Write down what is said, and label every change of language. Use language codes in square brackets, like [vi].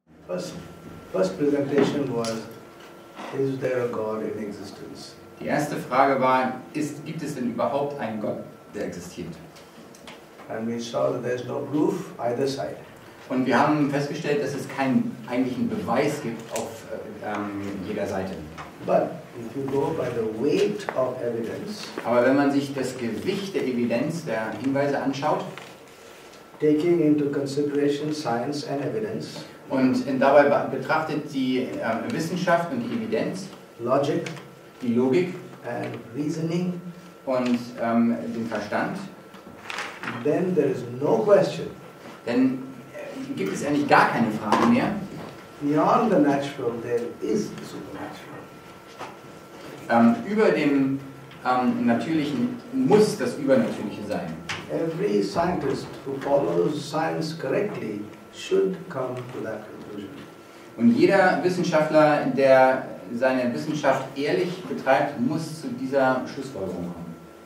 [en] First presentation was, is there a God in existence? [de] Die erste Frage war, gibt es denn überhaupt einen Gott, der existiert? [en] And we saw that there's no proof either side. [de] Und wir haben festgestellt, dass es keinen eigentlichen Beweis gibt auf jeder Seite. [en] But if you go by the weight of evidence, [de] aber wenn man sich das Gewicht der Evidenz, der Hinweise anschaut, [en] taking into consideration science and evidence, [de] und dabei betrachtet die Wissenschaft und die Evidenz, [en] logic, [de] die Logik [en] and reasoning, [de] und den Verstand, [en] then there is no question, [de] denn gibt es eigentlich gar keine Frage mehr. [en] Beyond the natural, there is the supernatural. [de] Über dem Natürlichen muss das Übernatürliche sein. [en] Every scientist who follows science correctly should come to that conclusion. [de] Und jeder Wissenschaftler, der seine Wissenschaft ehrlich betreibt, muss zu dieser Schlussfolgerung kommen.